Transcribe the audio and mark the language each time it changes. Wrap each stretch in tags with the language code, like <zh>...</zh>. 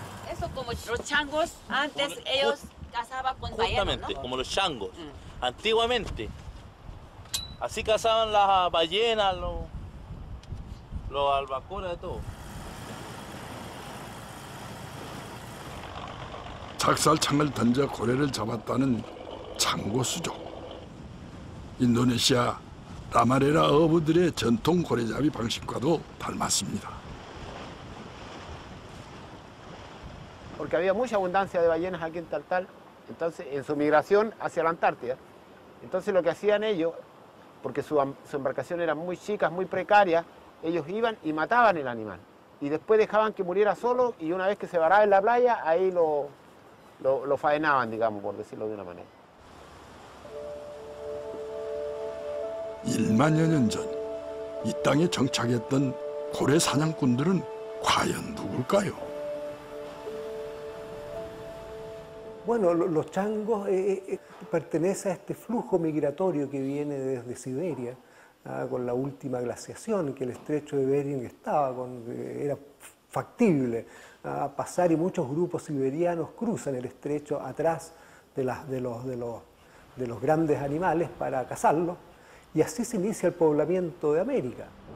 <es>Eso como los changos, antes ellos cazaban con ballenas, justamente, ¿no? Como los changos. Antiguamente, así cazaban las ballenas, los albacoras, de todo.</es> <ko>작살창을 던져 고래를 잡았다는 창고수족. 인도네시아 라마레라 어부들의 전통 고래잡이 방식과도 닮았습니다.</ko> <es>Porque había mucha abundancia de ballenas aquí en Taltal, entonces en su migración hacia la Antártida. Entonces lo que hacían ellos, porque su embarcación era muy chica, muy precaria, ellos iban y mataban el animal. Y después dejaban que muriera solo y una vez que se varaba en la playa, ahí lo faenaban, digamos, por decirlo de una manera.</es> <ko>1만여 년 전, 이 땅에 정착했던 고래 사냥꾼들은 과연 누굴까요?</ko> <es>Bueno, los changos pertenecen a este flujo migratorio que viene desde Siberia, con la última glaciación, que el estrecho de Bering estaba, era factible pasar, y muchos grupos siberianos cruzan el estrecho atrás de los grandes animales para cazarlos, y así se inicia el poblamiento de América.</es>